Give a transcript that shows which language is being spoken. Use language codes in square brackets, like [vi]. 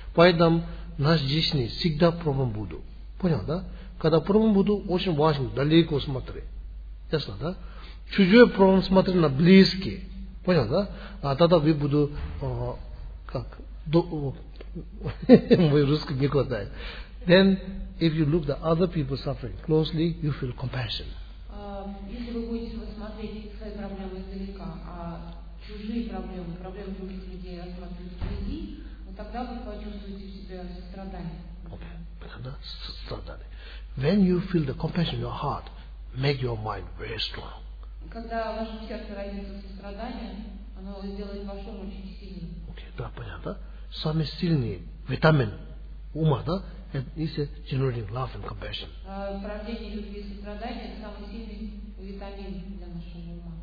[ru] Поэтому наш жизни всегда проблем буду. Понял, да? Когда проблем буду, очень важно далеко смотреть. Ясно, да? Чужой пром смотрит на близкий. Понял, да? А тогда вы буду как мой русский не хватает. [en] Then if you look the other people suffering closely, you feel compassion. [ru] Если вы будете смотреть свои проблемы издалека, а чужие проблемы, проблемы других людей осматривать впереди. Тогда вы почувствуете себя страдание. [en] Okay. When you feel the compassion in your heart, make your mind very strong. [ru] Когда ваше сердце родится сострадание, оно сделает ваш ум очень сильным. Okay, да, понятно. Самый сильный витамин ума, да, это [en] generating love and compassion. [ru] Порождение любви и сострадания это самый сильный витамин для нашего ума.